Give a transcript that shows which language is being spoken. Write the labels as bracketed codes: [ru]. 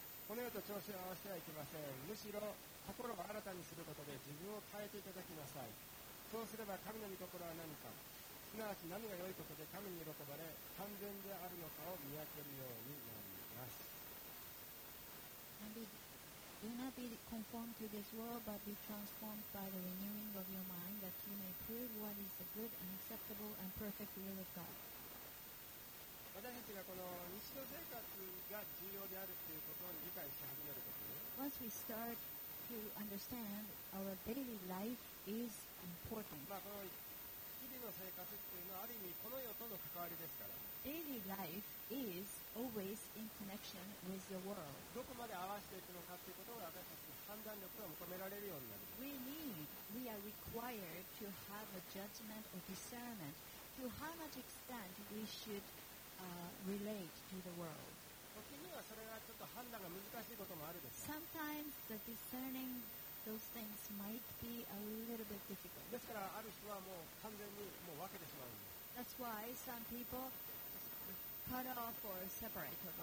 [ja] この世と調子を合わせてはいけません。むしろ心を新たにすることで自分を変えていただきなさい。そうすれば神の御心は何か、すなわち何が良いことで神に喜ばれ完全であるのかを見分けるようになります。 [en] Do not be conformed to this world, but be transformed by the renewing of your mind, that you may prove what is the good and acceptable and perfect will of God. [ja] 私たちがこの日常生活が重要であるということを理解し始めるときに、 [en] Once we start to understand our daily life is important. [ja] まあこの日々の生活っていうのはある意味この世との関わりですから。 [en] Daily life is always in connection with the world. [ja] どこまで合わせていくのかということが私たちの判断力が求められるようになる。 [en] We are required to have a judgment or discernment to how much extent we should relate to the world. [ja] 時にはそれがちょっと判断が難しいこともあるでしょう。 [en] Sometimes the discerning those things might be a little bit difficult. [ja] ですからある人はもう完全にもう分けてしまうんです。 [en] That's why some peopleCut off or separate.